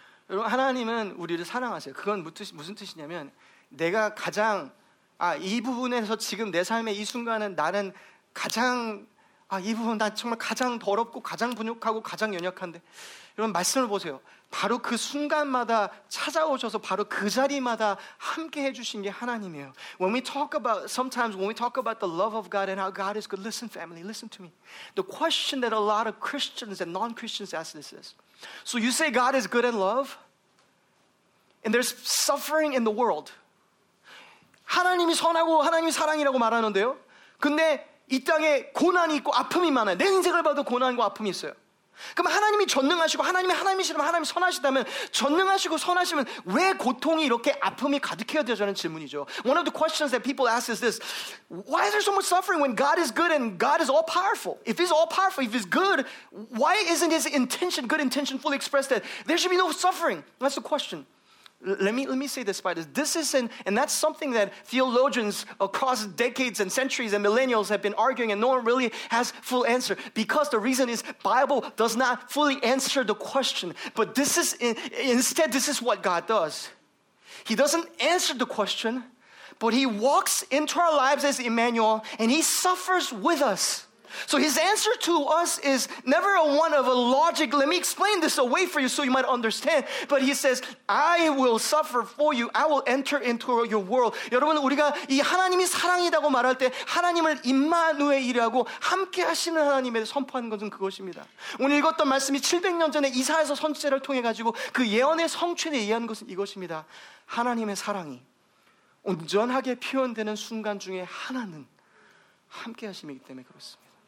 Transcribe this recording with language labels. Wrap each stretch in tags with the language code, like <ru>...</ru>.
<ko>여러분 하나님은 우리를 사랑하세요. 그건 무슨 뜻이냐면 내가 가장 이 부분에서 지금 내 삶의 이 순간은 나는 가장 이 부분 난 정말 가장 더럽고 가장 분욕하고 가장 연약한데 여러분 말씀을 보세요. 바로 그 순간마다 찾아오셔서 바로 그 자리마다 함께 해주신 게 하나님이에요.</ko> <en>When we talk about, sometimes when we talk about the love of God and how God is good, listen family, listen to me. The question that a lot of Christians and non-Christians ask this is, so you say God is good and love, and there's suffering in the world.</en> <ko>하나님이 선하고 하나님이 사랑이라고 말하는데요. 근데 이 땅에 고난이 있고 아픔이 많아요. 내 인생을 봐도 고난과 아픔이 있어요. 그럼 하나님이 전능하시고 하나님이 하나님이시라면 하나님이 선하시다면 전능하시고 선하시면 왜 고통이 이렇게 아픔이 가득해야 되냐는 질문이죠.</ko> <en>One of the questions that people ask is this. Why is there so much suffering when God is good and God is all powerful? If he's all powerful, if he's good, why isn't his intention, good intention fully expressed that there should be no suffering? That's the question. Let me say this by this. This is and that's something that theologians across decades and centuries and millennials have been arguing and no one really has full answer. Because the reason is Bible does not fully answer the question. But this is, instead, this is what God does. He doesn't answer the question, but he walks into our lives as Emmanuel and he suffers with us. So his answer to us is never a one of a logic. Let me explain this away for you so you might understand. But he says, I will suffer for you. I will enter into your world.</en> <ko>여러분 우리가 이 하나님이 사랑이라고 말할 때 하나님을 임마누엘이라고 함께 하시는 하나님에 선포하는 것은 그것입니다. 오늘 읽었던 말씀이 700년 전에 이사야서 선지자를 통해 가지고 그 예언의 성취를 예언한 것은 이것입니다. 하나님의 사랑이 온전하게 표현되는 순간 중에 하나는 함께 하심이기 때문에 그렇습니다.</ko>